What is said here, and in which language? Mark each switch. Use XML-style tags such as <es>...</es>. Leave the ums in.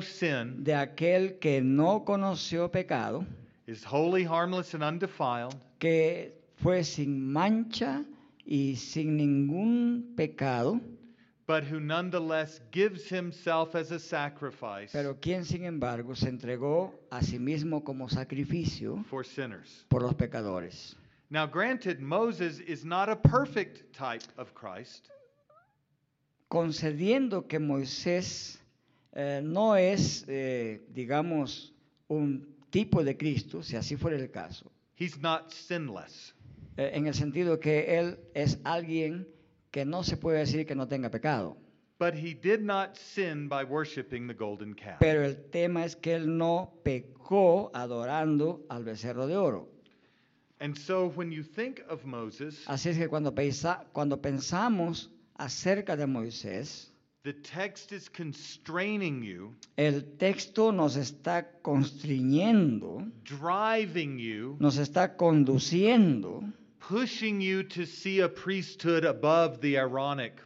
<es>sin de aquel que no conoció pecado</es> <en>is wholly harmless and undefiled</en> <es>que fue sin mancha y sin ningún pecado</es> <en>but who nonetheless gives himself as a sacrifice pero</en> <es>quien sin embargo se entregó a sí mismo como</es> <en>for sinners</en> <es>por los pecadores</es> <en>now, granted, Moses is not a perfect type of Christ.</en> <es>Concediendo que Moisés eh, no es, eh, digamos, un tipo de Cristo, si así fuera el caso.</es> <en>He's not sinless.</en> <es>Eh, en el sentido que él es alguien que no se puede decir no tenga pecado.</es> <en>But he did not sin by worshiping the golden calf.</en> <es>Pero el tema es que él no pecó adorando al becerro de oro.</es> <en>And so when you think of Moses,</en> <es>Así es que cuando, pensa, cuando pensamos acerca de Moisés,</es> <en>the text is constraining you,</en> <es>el texto nos está constriñendo,</es> <en>driving you,</en> <es>nos está conduciendo,</es> <en>pushing you to see a priesthood above the Aaronic</en>